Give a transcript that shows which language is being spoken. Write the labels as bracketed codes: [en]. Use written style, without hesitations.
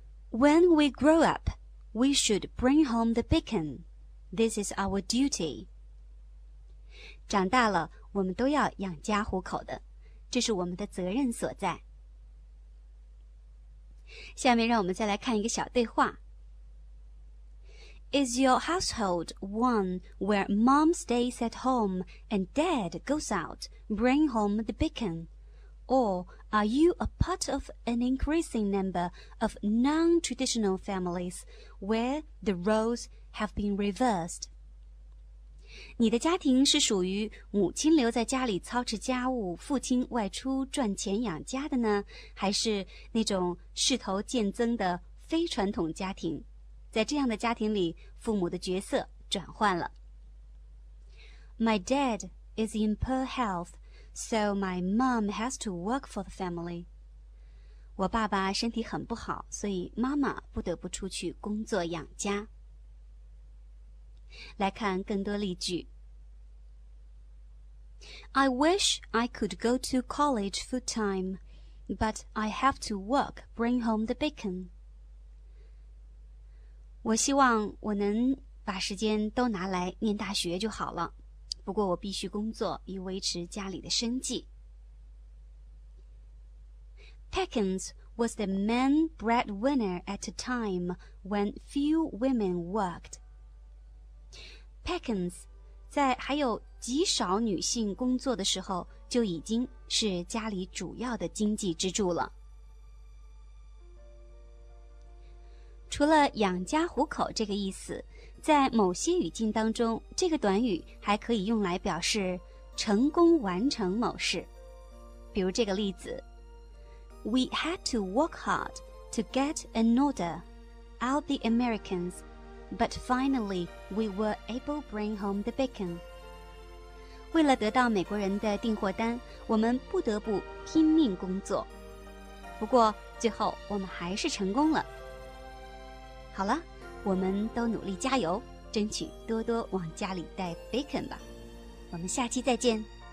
[en] When we grow up, we should bring home the bacon. This is our duty. [zh] 长大了，我们都要养家糊口的，这是我们的责任所在。下面让我们再来看一个小对话。 [en] Is your household one where mom stays at home and dad goes out, bring home the bacon? Or are you a part of an increasing number of non-traditional families where the roles have been reversed? [zh] 你的家庭是属于母亲留在家里操持家务，父亲外出赚钱养家的呢，还是那种势头渐增的非传统家庭？在这样的家庭里，父母的角色转换了。 [en] My dad is in poor health, so my mom has to work for the family. [zh] 我爸爸身体很不好，所以妈妈不得不出去工作养家。来看更多例句。 [en] I wish I could go to college full time, but I have to work, bring home the bacon. [zh] 我希望我能把时间都拿来念大学就好了，不过我必须工作以维持家里的生计。 [en] Pickens was the main breadwinner at a time when few women worked. [zh] Pickens 在还有极少女性工作的时候就已经是家里主要的经济支柱了。除了养家糊口这个意思，在某些语境当中，这个短语还可以用来表示成功完成某事。比如这个例子， [en] We had to work hard to get an order out the Americans. But finally, we were able to bring home the bacon. [zh] 为了得到美国人的订货单，我们不得不拼命工作。不过，最后我们还是成功了。好了，我们都努力加油，争取多多往家里带 bacon 吧。我们下期再见。